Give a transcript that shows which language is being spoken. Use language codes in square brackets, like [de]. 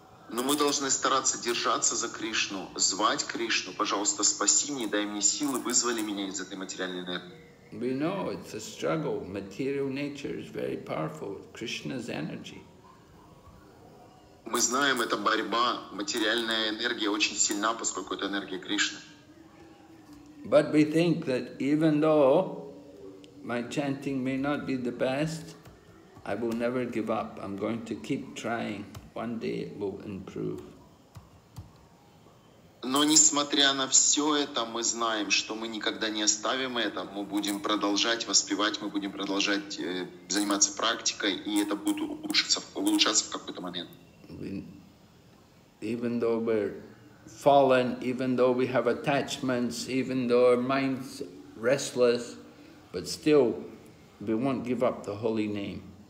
[ru] Но мы должны стараться держаться за Кришну, звать Кришну, пожалуйста, спаси меня, дай мне силы, вызвали меня из этой материальной энергии. [en] We know it's a struggle. Material nature is very powerful. Krishna's energy. [ru] Мы знаем, это борьба. Материальная энергия очень сильна, поскольку это энергия Кришны. [en] But we think that even though my chanting may not be the best, I will never give up. I'm going to keep trying. One day it will improve. [ru] Но несмотря на все это, мы знаем, что мы никогда не оставим это. Мы будем продолжать воспевать, мы будем продолжать заниматься практикой, и это будет улучшаться в какой-то момент. [en] Even though we're fallen, even though we have attachments, even though our mind's restless, but still we won't give up the holy name.